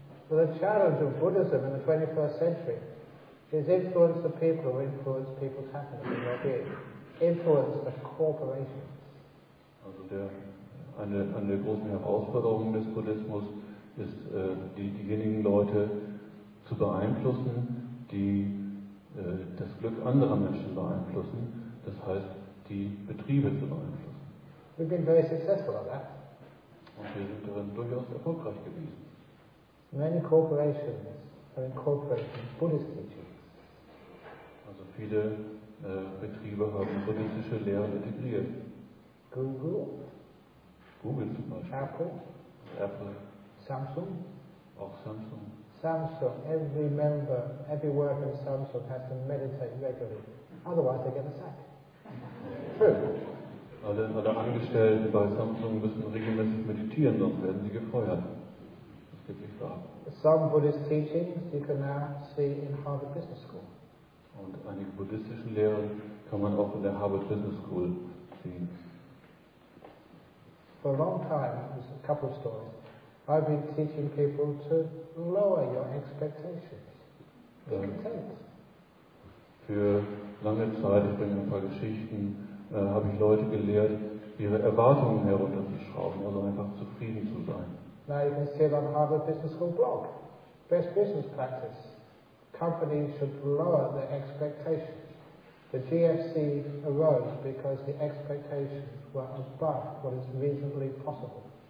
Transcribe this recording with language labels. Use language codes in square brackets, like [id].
[en] So the challenge of Buddhism in the 21st century is influence the people who influence people's happiness and well-being. Influence the corporations. [de] Also eine der großen Herausforderungen des Buddhismus ist, diejenigen Leute zu beeinflussen, die das Glück anderer Menschen beeinflussen. Das heißt, die Betriebe zu beeinflussen. [en] We've been very successful at that. [de] Und wir sind darin durchaus erfolgreich gewesen. [en] Many corporations are incorporating Buddhist teachings. [de] Also viele Betriebe haben buddhistische Lehren integriert. [en] Google [de] zum Beispiel. [en] Apple. Samsung. [de] Auch Samsung. [en] Samsung, every member, every worker in Samsung has to meditate regularly. Otherwise they get the sack. [de] Alle Angestellten bei Samsung müssen regelmäßig meditieren, sonst werden sie gefeuert. Das geht nicht wahr. [en] Some Buddhist teachings you can now see in Harvard Business School. [de] Und einige buddhistischen Lehren kann man auch in der Harvard Business School sehen. [en] For a long time, there's a couple of stories. I've been teaching people to lower your expectations. Be content. [de] Für lange Zeit, ich bringe ein paar Geschichten, habe ich Leute gelehrt, ihre Erwartungen herunterzuschrauben, also einfach zufrieden zu sein. [en] Now you can see it on Harvard Business School blog. Best business practice. Companies should lower their expectations. The GFC arose because the expectations were above what is reasonably possible.